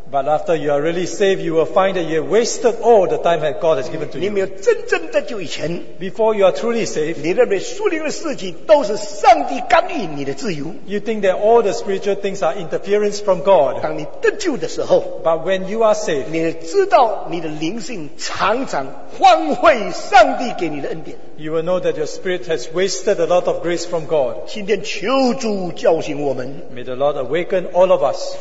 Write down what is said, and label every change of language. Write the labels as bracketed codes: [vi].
[en] But after you are really saved, you will find that you have wasted all the time that God has given to you. [zh] 你没有真正的救以前, [en] before you are truly saved, [zh] 你认为属灵的事情都是上帝干预你的自由, [en] you think that all the spiritual things are interference from God. [zh] 当你得救的时候, [en] but when you are saved, [zh] 你知道你的灵性常常荒废上帝给你的恩典, [en] you will know that your spirit has wasted a lot of grace from God. [zh] 今天求主叫醒我们, [en] may the Lord awaken all of us,